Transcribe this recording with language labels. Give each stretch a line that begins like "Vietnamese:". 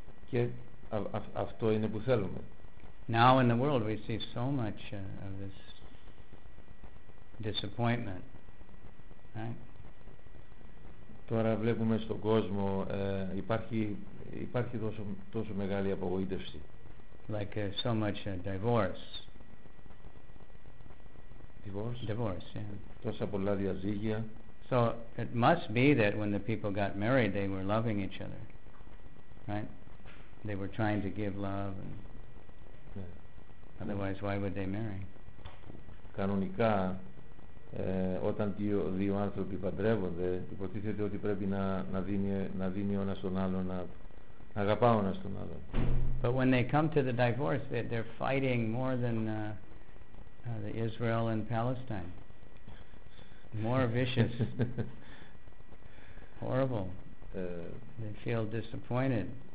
Greek: Και αυτό είναι που θέλουμε.
English: Now in the world we see so much of this disappointment, right?
Greek: Τώρα βλέπουμε στον κόσμο υπάρχει τόσο μεγάλη απογοήτευση.
English: Like so much divorce. Divorce, yeah.
Greek: Τόσα πολλά διαζύγια.
English: So it must be that when the people got married they were loving each other. Right? They were trying to give love and yeah. Otherwise why would they marry?
Greek: Κανονικά όταν δύο άνθρωποι παντρεύονται, υποτίθεται ότι πρέπει να δίνει ο ένας τον άλλον, να αγαπά ο ένας τον άλλον.
English: But when they come to the divorce, they're fighting more than the Israel and Palestine. More vicious. Horrible. They feel disappointed.